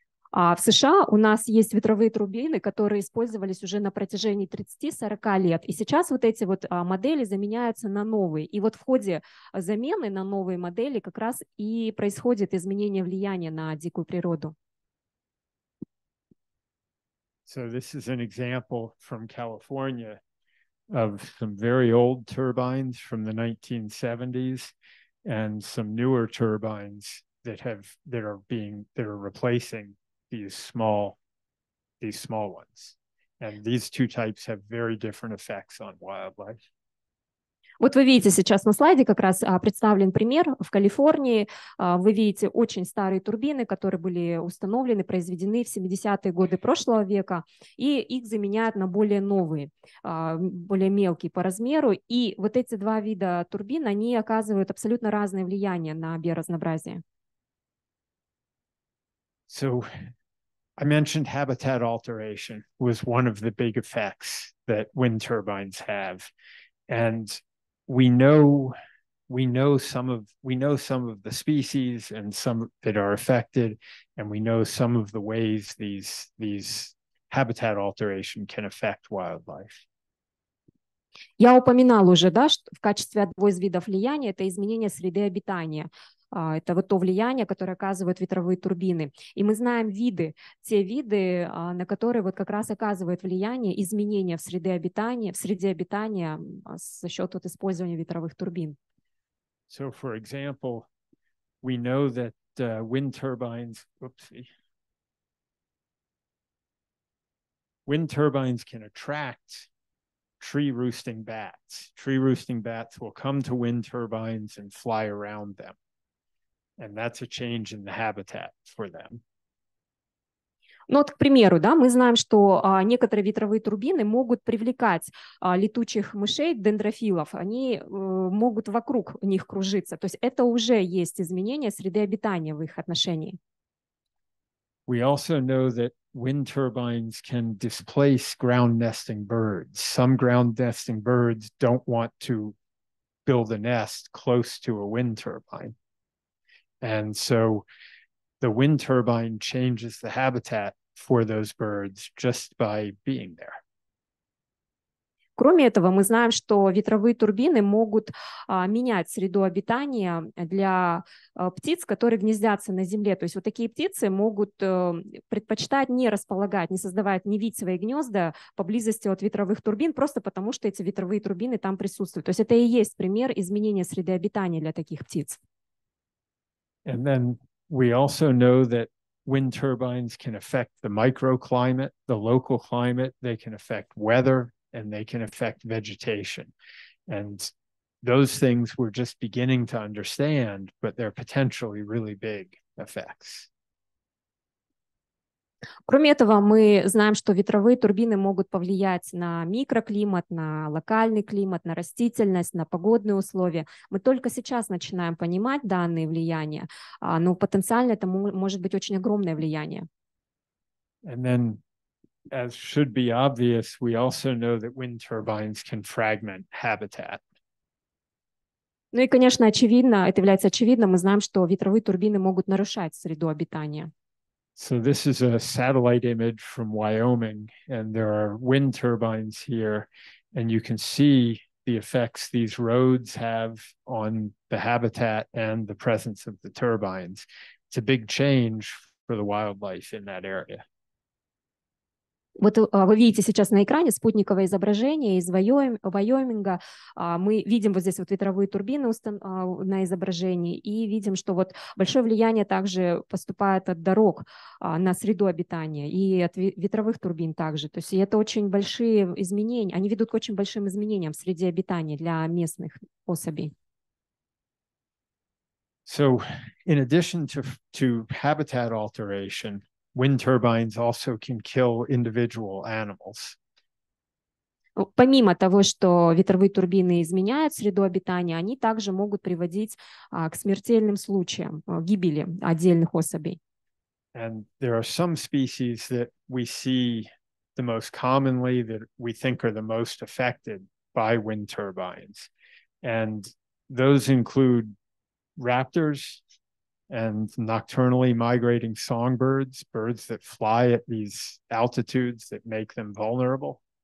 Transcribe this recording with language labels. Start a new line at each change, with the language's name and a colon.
Russian: А в США у нас есть ветровые турбины, которые использовались уже на протяжении 30-40 лет. И сейчас вот эти вот модели заменяются на новые. И вот в ходе замены на новые модели как раз и происходит изменение влияния на дикую природу.
English: So this is an example from California of some very old turbines from the 1970s and some newer turbines that are replacing these small ones. And these two types have very different effects on wildlife.
Russian: Вот вы видите сейчас на слайде как раз представлен пример в Калифорнии. Вы видите очень старые турбины, которые были установлены, произведены в 70-е годы прошлого века, и их заменяют на более новые, более мелкие по размеру. И вот эти два вида турбин, они оказывают абсолютно разное влияние на биоразнообразие.
English: So I mentioned habitat alteration was one of the big effects that wind turbines have. And we know some of the species and some that are affected, and we know some of the ways these habitat alteration can affect wildlife.
Russian: Я упоминал уже, да, что в качестве одного из видов влияния это изменение среды обитания. Это вот то влияние, которое оказывают ветровые турбины. И мы знаем виды, те виды, на которые вот как раз оказывают влияние изменения в среде обитания за счет вот использования ветровых турбин.
English: So, for example, we know that wind turbines... Oopsie. Wind turbines can attract tree roosting bats. Tree roosting bats will come to wind turbines and fly around them. And that's a change in the habitat for them.
Russian: Ну, вот, к примеру, да, мы знаем, что некоторые ветровые турбины могут привлекать летучих мышей, дендрофилов. Они могут вокруг них кружиться. То есть это уже есть изменение среды обитания в их отношении.
English: We also know that wind turbines can displace ground nesting birds. Some ground nesting birds don't want to build a nest close to a wind turbine. And so the wind turbine changes the habitat for those birds just by being there.
Russian: Кроме этого, мы знаем, что ветровые турбины могут менять среду обитания для птиц, которые гнездятся на земле. То есть вот такие птицы могут предпочитать не располагать, не создавать, не видеть свои гнезда поблизости от ветровых турбин, просто потому что эти ветровые турбины там присутствуют. То есть это и есть пример изменения среды обитания для таких птиц.
English: And then we also know that wind turbines can affect the microclimate, the local climate, they can affect weather, and they can affect vegetation. And those things we're just beginning to understand, but they're potentially really big effects.
Russian: Кроме этого, мы знаем, что ветровые турбины могут повлиять на микроклимат, на локальный климат, на растительность, на погодные условия. Мы только сейчас начинаем понимать данные влияния, но потенциально это может быть очень огромное влияние.
English: And then, as should be obvious, we also know that wind turbines can fragment habitat.
Russian: Ну и, конечно, очевидно, это является очевидным, мы знаем, что ветровые турбины могут нарушать среду обитания.
English: So this is a satellite image from Wyoming, and there are wind turbines here, and you can see the effects these roads have on the habitat and the presence of the turbines. It's a big change for the wildlife in that area.
Russian: Вот вы видите сейчас на экране спутниковое изображение из Вайоминга. Мы видим вот здесь вот ветровые турбины на изображении и видим, что вот большое влияние также поступает от дорог на среду обитания и от ветровых турбин также. То есть это очень большие изменения. Они ведут к очень большим изменениям в среде обитания для местных особей.
English: So, in addition to habitat alteration, wind turbines also can kill individual animals.
Russian: Помимо того, что ветровые турбины изменяют среду обитания, они также могут приводить к смертельным случаям, гибели отдельных особей.
English: And there are some species that we see the most commonly that we think are the most affected by wind turbines. And those include raptors and nocturnally migrating songbirds, birds that fly at these altitudes that make them vulnerable.